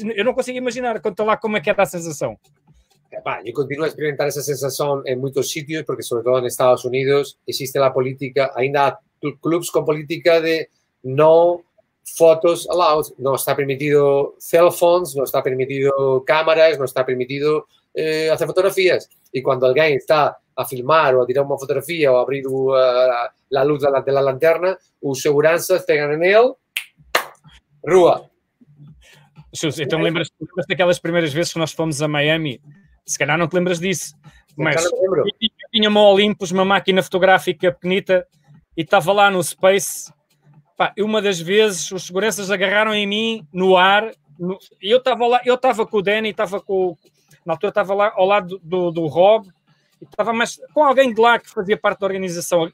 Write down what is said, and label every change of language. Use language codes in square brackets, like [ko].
[pt] Eu não consigo imaginar, conta lá como é que é a sensação. [es] Yo continúo a experimentar esa sensación en muchos sitios, porque sobre todo en Estados Unidos existe la política, ainda hay clubs con política de [en] no photos allowed, [es] no está permitido [en] cell phones, [es] no está permitido cámaras, no está permitido hacer fotografías. Y cuando alguien está a filmar o a tirar una fotografía o a abrir la luz de la lanterna, los seguranzas pegan en él, rúa. Jesús, ¿tú lembras de aquellas primeras veces que nos fomos a Miami? [pt] Se calhar não te lembras disso, mas eu tinha uma Olympus, uma máquina fotográfica pequenita, e estava lá no Space. Pá, uma das vezes os seguranças agarraram em mim no ar, e eu estava lá, eu estava com o Danny, estava com, na altura estava lá ao lado do Rob, e estava mais com alguém de lá que fazia parte da organização.